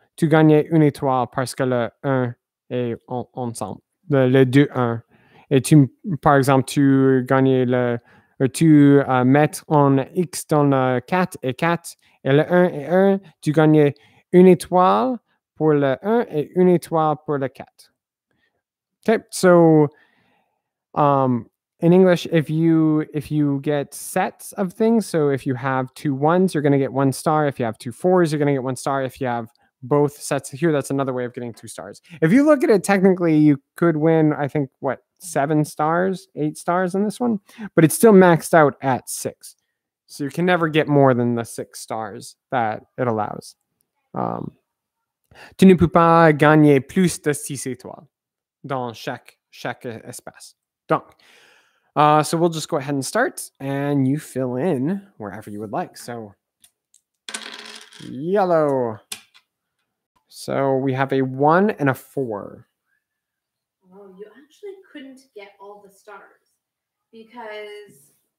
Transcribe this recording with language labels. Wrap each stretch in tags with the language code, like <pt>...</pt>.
<fr>Tu gagnes une étoile parce que le 1 est ensemble, le 2-1. Et tu, par exemple, tu gagnes mets un X dans le 4 et 4 et le 1 et 1. Tu gagnes une étoile pour le 1 et une étoile pour le 4.</fr> <en>Okay, so in English, if you get sets of things, so if you have 2 ones, you're going to get 1 star. If you have 2 fours, you're going to get 1 star. If you have both sets here, that's another way of getting 2 stars. If you look at it, technically, you could win, I think, 7 stars, 8 stars in this one, but it's still maxed out at 6. So you can never get more than the 6 stars that it allows.</en> <fr>Tu ne peux pas gagner plus de 6 étoiles dans chaque espace.</fr> <en>Donc, so we'll just go ahead and start, and you fill in wherever you would like. So, yellow. So we have a 1 and a 4. Well, you actually couldn't get all the stars because</en>